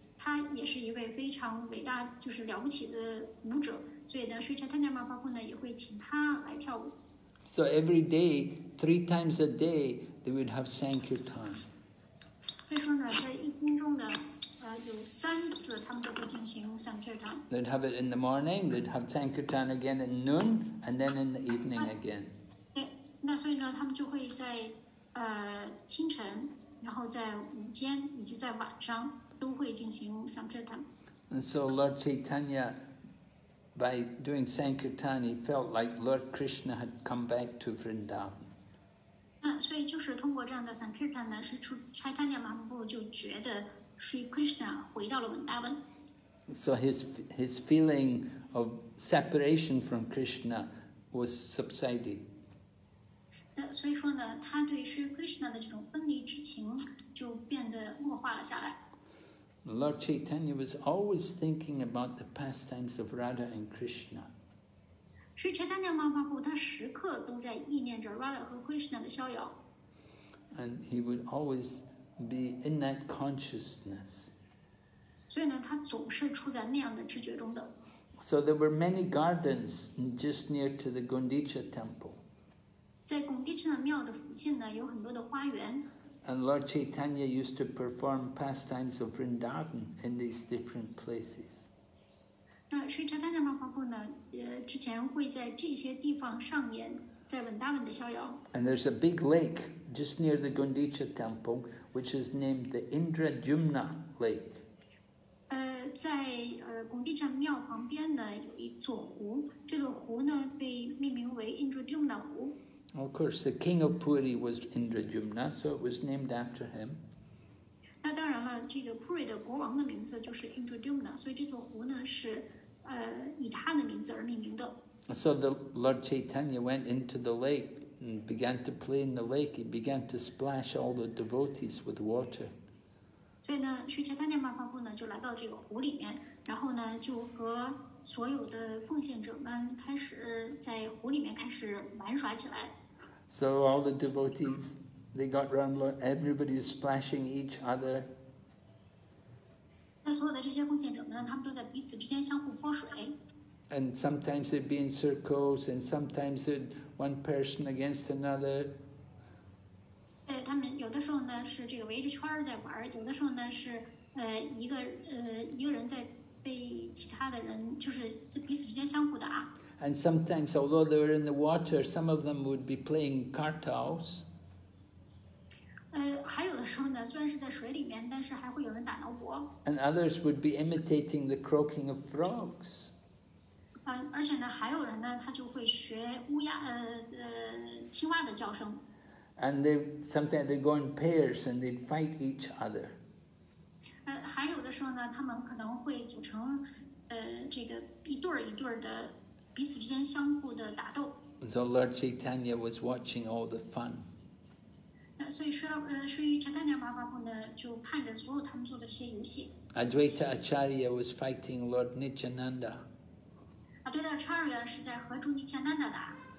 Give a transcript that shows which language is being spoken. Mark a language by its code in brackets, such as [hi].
[zh] 他也是一位非常伟大，就是了不起的舞者，所以呢，水城丹娘马花布呢也会请他来跳舞。 [en] So every day, 3 times a day, they would have sankirtan. [zh] 所以说呢，在一天中呢，有3次他们都会进行 sankirtan. [en] They'd have it in the morning, they'd have sankirtan again at noon, and then in the evening again. [zh] 那所以呢，他们就会在清晨、然后在午间以及在晚上都会进行 Sankirtan。 [en] And so Lord Chaitanya, by doing Sankirtan, he felt like Lord Krishna had come back to Vrindavan. [zh] 所以就是通过这样的 Sankirtan 呢，是 Chaitanya Mahaprabhu 就觉得 Sri Krishna 回到了 Vrindavan。 [en] So his feeling of separation from Krishna was subsided. [zh] 所以说呢，他对 Sri Krishna 的这种分离之情就变得默化了下来。 [en] Lord Chaitanya was always thinking about the pastimes of Radha and Krishna. [zh] 是 Chaitanya Mahaprabhu 他时刻都在意念着 Radha 和 Krishna 的逍遥。 [en] And he would always be in that consciousness. [zh] 所以呢，他总是处在那样的知觉中的。 [en] So there were many gardens just near to the Gaudiya temple. [zh] 在贡迪彻庙的附近呢，有很多的花园。 [en] And Lord Chaitanya used to perform pastimes of Vrindavan in these different places. [zh] 那所以 Chaitanya Mahaprabhu 呢，之前会在这些地方上演在 Vrindavan 的逍遥。 [en] And there's a big lake just near the Gaudiya temple, which is named the Indradyumna Lake. [zh] 在贡迪彻庙旁边呢，有一座湖。这座湖呢，被命名为 Indradyumna 湖。 [en] Of course, the king of Puri was Indradyumna, so it was named after him. [zh] 那当然了，这个 Puri 的国王的名字就是 Indradyumna, 所以这座湖呢是以他的名字而命名的。 [en] So the Lord Chaitanya went into the lake and began to play in the lake. He began to splash all the devotees with water. [zh] 所以呢，去查丹尼玛法布呢，就来到这个湖里面，然后呢，就和所有的奉献者们开始在湖里面开始玩耍起来。 [en] So all the devotees, they got round. Everybody is splashing each other. [zh] 那所有的这些奉献者们呢，他们都在彼此之间相互泼水。 [en] And sometimes they'd be in circles, and sometimes they'd one person against another. [zh] 对他们有的时候呢是这个围着圈在玩，有的时候呢是一个人在被其他的人就是彼此之间相互打。 [en] And sometimes, although they were in the water, some of them would be playing kartals. [zh] 还有的时候呢，虽然是在水里面，但是还会有人打挠脖。 [en] And others would be imitating the croaking of frogs. [zh] 而且呢，还有人呢，他就会学乌鸦青蛙的叫声。 [en] And they sometimes they go in pairs and they'd fight each other. [zh] 还有的时候呢，他们可能会组成这个一对一对的彼此之间相互的打斗。 [en] So Lord Chaitanya was watching all the fun. [zh] 所以说所以 Chaitanya Mahaprabhu 呢就看着所有他们做的这些游戏。 [en] Advaita Acharya was fighting Lord Nityananda. [zh] Advaita Acharya 是在和朱尼天丹打。